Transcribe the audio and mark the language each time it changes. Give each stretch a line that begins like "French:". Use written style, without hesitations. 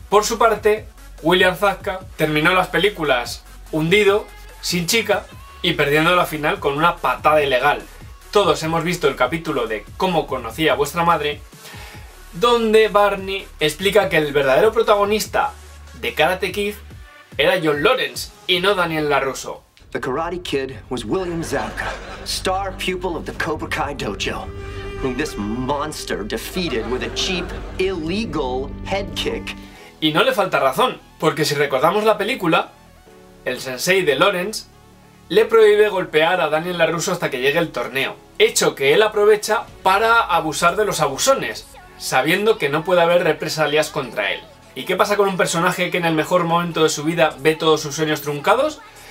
Spanish: Por su parte, William Zabka terminó las películas hundido, sin chica, y perdiendo la final con una patada ilegal. Todos hemos visto el capítulo de Cómo conocí a vuestra madre, donde Barney explica que el verdadero protagonista de Karate Kid era John Lawrence y no Daniel LaRusso.
English: The Karate Kid was William Zabka, star pupil of the Cobra Kai dojo, whom this monster defeated with a cheap, illegal head kick.
Spanish: Y no le falta razón, porque si recordamos la película, el sensei de Lawrence le prohíbe golpear a Daniel LaRusso hasta que llegue el torneo. Hecho que él aprovecha para abusar de los abusones, sabiendo que no puede haber represalias contra él. ¿Y qué pasa con un personaje que en el mejor momento de su vida ve todos sus sueños truncados?